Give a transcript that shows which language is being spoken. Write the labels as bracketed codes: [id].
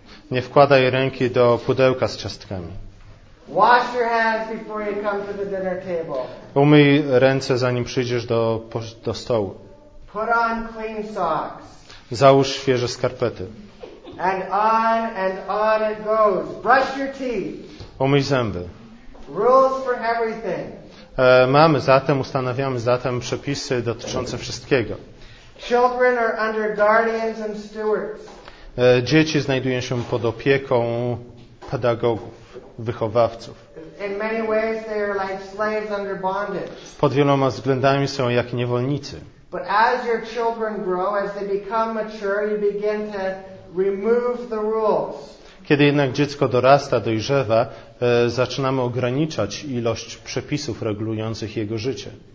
[pl] Nie wkładaj ręki do pudełka z ciastkami. [en] Wash your hands before you come to the dinner table. [pl] Umyj ręce, zanim przyjdziesz do stołu. [en] Put on clean socks. [pl] Załóż świeże skarpety. [en] And on it goes. Brush your teeth. [pl] Umyj zęby. [en] Rules for everything. [pl] Mamy zatem, ustanawiamy zatem przepisy dotyczące wszystkiego. [en] Children are under guardians and stewards. [pl] Dzieci znajdują się pod opieką pedagogów, wychowawców. [en] In many ways they are like slaves under bondage. [pl] Pod wieloma względami są jak niewolnicy. [en] But as your children grow, as they become mature, you begin to remove the rules. [pl] Kiedy jednak dziecko dorasta, dojrzewa, zaczynamy ograniczać ilość przepisów regulujących jego życie.